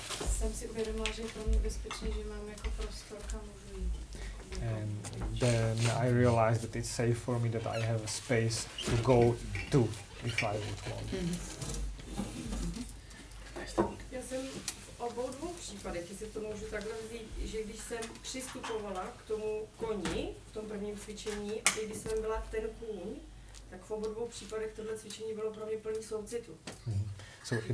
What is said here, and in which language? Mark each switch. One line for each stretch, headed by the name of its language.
Czech: Jsem si uvědomila, že je pro mě bezpečný, že mám jako prostor, kam můžu jít.
English: And then I realized that it's safe for me that I have a space to go to if I would want.
Czech: Já jsem v obou dvou případech, jestli to můžu takhle vzít, že když jsem přistupovala k tomu koni v tom prvním cvičení a když jsem byla ten kůň, tak v obou dvou případech tohle cvičení bylo pro mě plný soucitu.
English: So